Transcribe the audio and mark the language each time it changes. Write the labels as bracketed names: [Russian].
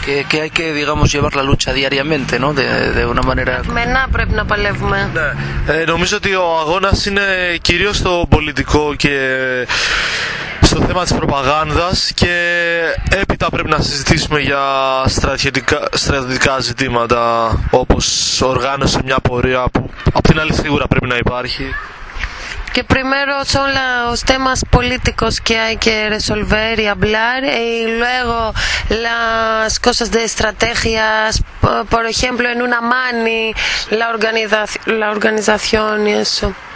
[Spanish] Que hay que, digamos, llevar la lucha diariamente, ¿no? De una manera... [Greek] Με να πρέπει να παλεύουμε. Νομίζω ότι ο αγώνας είναι κυρίως στο πολιτικό και στο θέμα της προπαγάνδας και έπειτα πρέπει να συζητήσουμε για στρατιωτικά ζητήματα όπως οργάνωση μια πορεία που απ' την άλλη σίγουρα πρέπει να υπάρχει. [Spanish] Και primero son los temas políticos que hay que resolver y hablar y luego las cosas de estrategias, por ejemplo en una mani, la organización y eso.